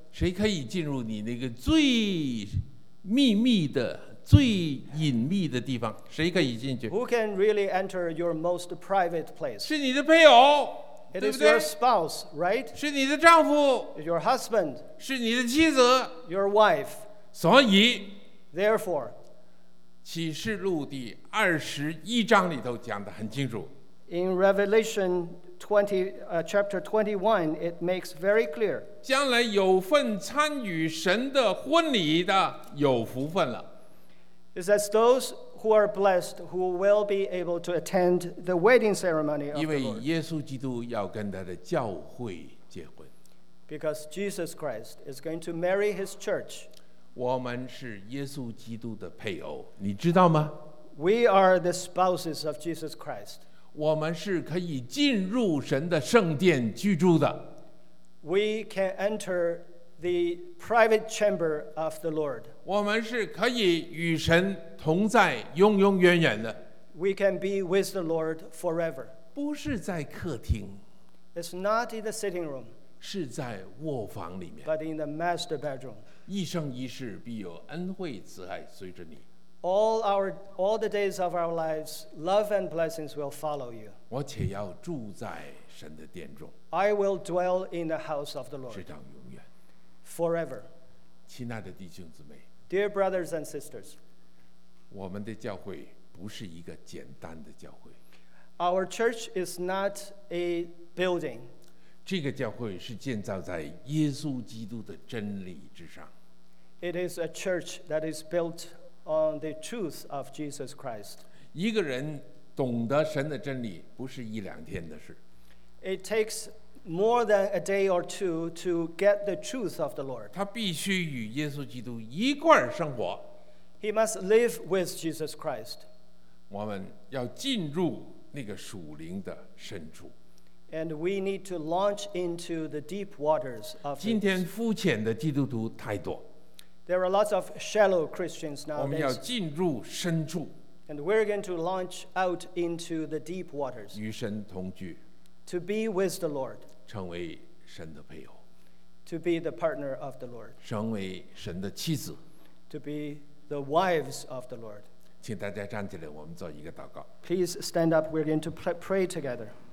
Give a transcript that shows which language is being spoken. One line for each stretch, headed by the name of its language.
Chinese: 谁可以进入你那个最秘密的、最隐秘的地方？谁可以进去
English: ？Who can really enter your most private place？
Chinese: 是你的配偶
English: ，It is your spouse, right？
Chinese: 是你的丈夫
English: ，Your husband。
Chinese: 是你的妻子
English: ，Your wife。
Chinese: 所以
English: ，Therefore，
Chinese: 启示录第二十一章里头讲得很清楚。
English: In Revelation chapter 21, it makes very clear.
Chinese: 将来有份参与神的婚礼的有福分了。
English: It says those who are blessed who will be able to attend the wedding ceremony of the Lord.
Chinese: 因为耶稣基督要跟他的教会结婚。
English: Because Jesus Christ is going to marry his church.
Chinese: 我们是耶稣基督的配偶，你知道吗？
English: We are the spouses of Jesus Christ.
Chinese: 我们是可以进入神的圣殿居住的。
English: We can enter the private chamber of the Lord.
Chinese: 我们是可以与神同在永永远远的。
English: We can be with the Lord forever.
Chinese: 不是在客厅。
English: It's not in the sitting room.
Chinese: 是在卧房里面。
English: But in the master bedroom.
Chinese: 一生一世必有恩惠慈爱随着你。
English: All the days of our lives, love and blessings will follow you.
Chinese: 我且要住在神的殿中。
English: I will dwell in the house of the Lord.
Chinese: 直到永远。
English: Forever.
Chinese: 亲爱的弟兄姊妹。
English: Dear brothers and sisters.
Chinese: 我们的教会不是一个简单的教会。
English: Our church is not a building.
Chinese: 这个教会是建造在耶稣基督的真理之上。
English: It is a church that is built on the truth of Jesus Christ.
Chinese: 一个人懂得神的真理不是一两天的事。
English: It takes more than a day or two to get the truth of the Lord.
Chinese: 他必须与耶稣基督一块生活。
English: He must live with Jesus Christ.
Chinese: 我们要进入那个属灵的深处。
English: And we need to launch into the deep waters of
Chinese: 今天肤浅的基督徒太多。
English: There are lots of shallow Christians nowadays.
Chinese: 我们要进入深处。
English: And we're going to launch out into the deep waters.
Chinese: 与神同居。
English: To be with the Lord.
Chinese: 成为神的配偶。
English: To be the partner of the Lord.
Chinese: 成为神的妻子。
English: To be the wives of the Lord.
Chinese: 请大家站起来，我们做一个祷告。
English: Please stand up. We're going to pray together.